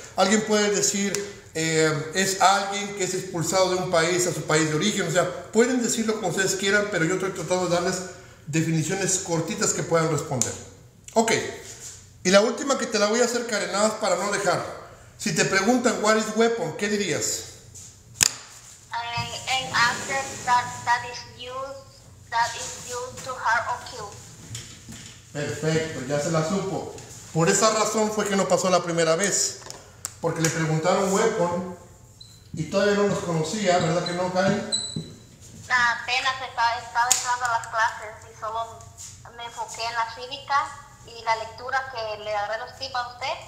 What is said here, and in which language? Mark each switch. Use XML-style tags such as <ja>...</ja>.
<es>Alguien puede decir, es alguien que es expulsado de un país a su país de origen. O sea, pueden decirlo como ustedes quieran, pero yo estoy tratando de darles definiciones cortitas que puedan responder. Ok. Y la última que te la voy a hacer, Karen, nada más para no dejar. Si te preguntan,</es> <en>what is weapon,</en> <es>¿qué dirías?</es> <en>An object that is used to hurt or kill.</en> <es>Perfecto, ya se la supo. Por esa razón fue que no pasó la primera vez. Porque le preguntaron weapon y todavía no nos conocía, ¿verdad que no, Karen? Apenas estaba entrando a las clases y solo me enfoqué en la cívica y la lectura y el lectura que le daré los tips a usted.</es>